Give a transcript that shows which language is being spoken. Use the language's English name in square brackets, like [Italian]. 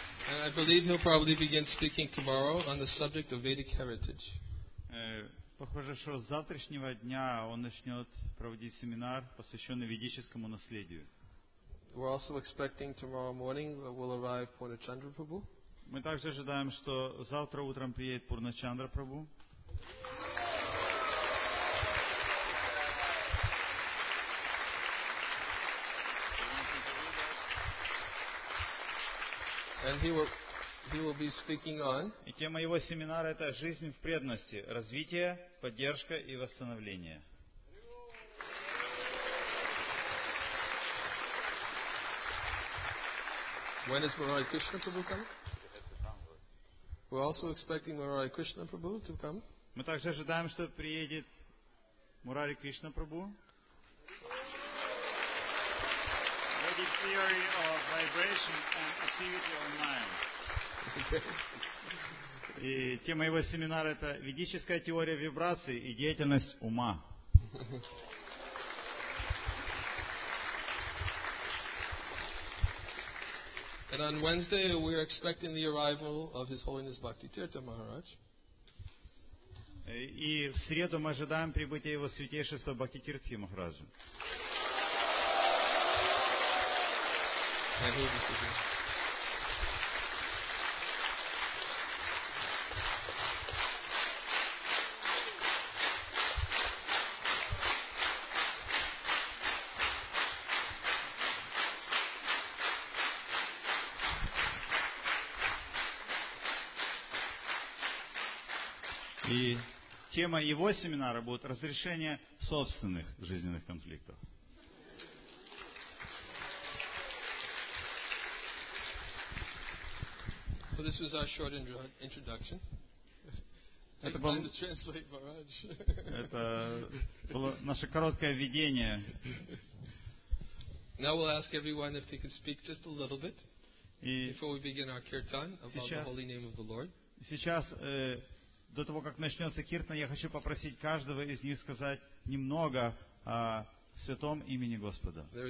[English] And I believe he'll probably begin speaking tomorrow on the subject of Vedic heritage. [Russian] Похоже, что с завтрашнего дня он начнет проводить семинар, посвященный ведическому наследию. [English] We're also expecting tomorrow morning that will arrive Purnachandra Prabhu. [Russian] Мы также ожидаем, что завтра утром приедет Пурначандра Прабху. [English] And he will be speaking on. [Russian] И тема его семинара — это жизнь в преданности, развитие, поддержка и восстановление. [English] Hello. When is Murari Krishna Prabhu coming? We're also expecting Murari Krishna Prabhu to come. [Russian] Мы также ожидаем, что приедет Мурари Кришна Прабху. [English] Vedic theory of vibration and activity of mind. [Russian] И тема его семинара — это ведическая теория вибрации и деятельность ума. [English] And on Wednesday we are expecting the arrival of His Holiness Bhakti Tirtha Maharaj. [Russian] И в среду мы ожидаем прибытия Его Святейшества Бхакти Тиртхи Махараджа. И тема его семинара будет разрешение собственных жизненных конфликтов. [English] So this was our short introduction. [Russian] Это было наше короткое введение. [English] Now we'll ask everyone if they could speak just a little bit before we begin our kirtan about the holy name of the Lord. [Russian] Сейчас до того, как начнется киртана, я хочу попросить каждого из них сказать немного о святом имени Господа.